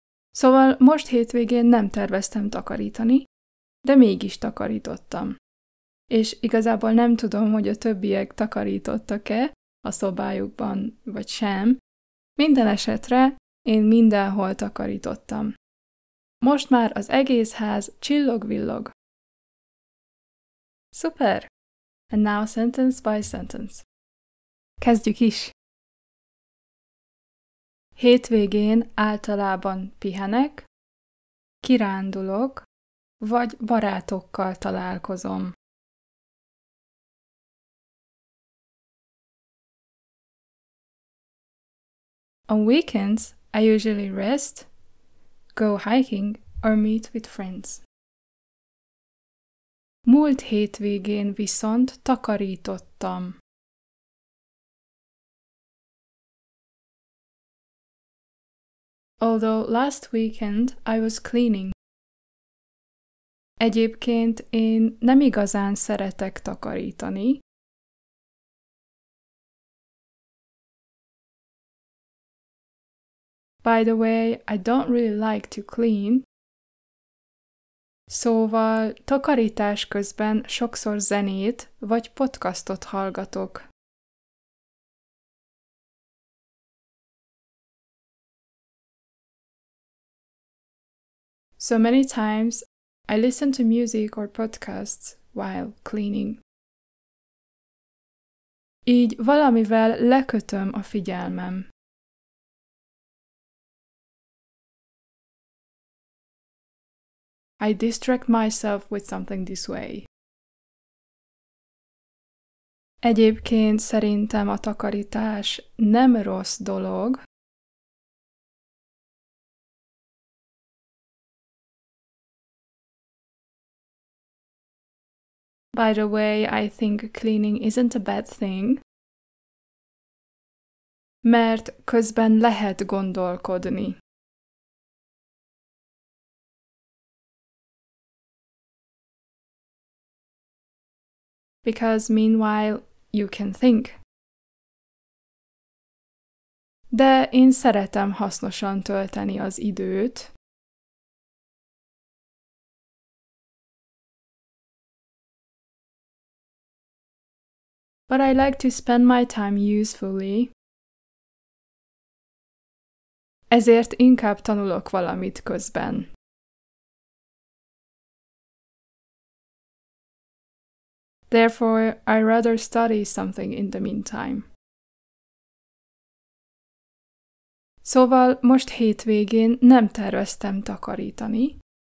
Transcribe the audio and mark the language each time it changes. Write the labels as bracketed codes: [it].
[hu] Szóval most hétvégén nem terveztem takarítani, de mégis takarítottam. És igazából nem tudom, hogy a többiek takarítottak-e a szobájukban, vagy sem. Minden esetre én mindenhol takarítottam. Most már az egész ház csillog-villog. Szuper! [en] And now sentence by sentence. [hu] Kezdjük is! Hétvégén általában pihenek, kirándulok, vagy barátokkal találkozom. [en] On weekends, I usually rest, go hiking, or meet with friends. [hu] Múlt hétvégén viszont takarítottam. [en] Although last weekend I was cleaning. [hu] Egyébként én nem igazán szeretek takarítani. [en] By the way, I don't really like to clean. [hu] Szóval takarítás közben sokszor zenét vagy podcastot hallgatok. [en] So many times, I listen to music or podcasts while cleaning. [hu] Így valamivel lekötöm a figyelmem. [en] I distract myself with something this way. [hu] Egyébként szerintem a takarítás nem rossz dolog. [en] By the way, I think cleaning isn't a bad thing. [hu] Mert közben lehet gondolkodni. [en] Because meanwhile, you can think. [hu] De én szeretem hasznosan tölteni az időt. [en] But I like to spend my time usefully. [hu] Ezért inkább tanulok valamit közben. [en] Therefore, I rather study something in the meantime. [hu] Szóval most hétvégén nem terveztem takarítani.